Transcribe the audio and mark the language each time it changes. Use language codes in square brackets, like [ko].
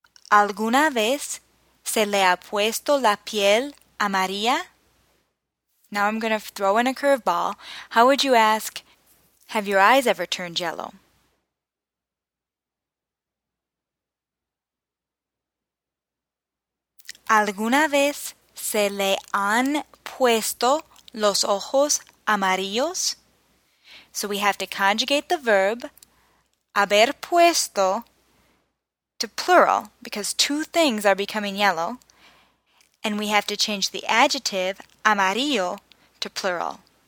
[es] ¿Alguna vez se le ha puesto la piel a María? [en] Now I'm going to throw in a curveball. How would you ask, have your eyes ever turned yellow? [es] ¿Alguna vez se le han puesto los ojos amarillos? [en] So we have to conjugate the verb haber puesto to plural, because two things are becoming yellow, and we have to change the adjective amarillo to plural.